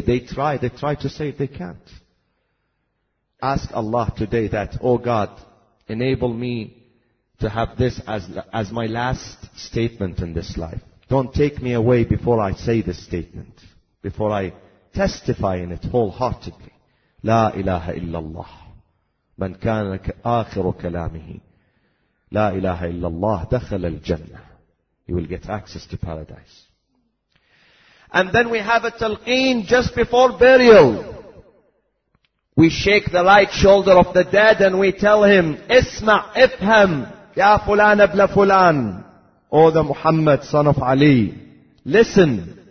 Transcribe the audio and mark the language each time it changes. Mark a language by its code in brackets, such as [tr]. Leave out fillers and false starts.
[en] They try to say. They can't. Ask Allah today that, oh God, enable me to have this as my last statement in this life. Don't take me away before I say this statement. Before I testify in it wholeheartedly. [ar] لا إله إلا الله من كان آخر كلامه لا إله إلا الله دخل الجنة. [en] You will get access to paradise. And then we have a talqeen just before burial. We shake the right shoulder of the dead and we tell him, [ar] اسمع افهم يا فلان ابن فلان. [en] O the Muhammad son of Ali, listen.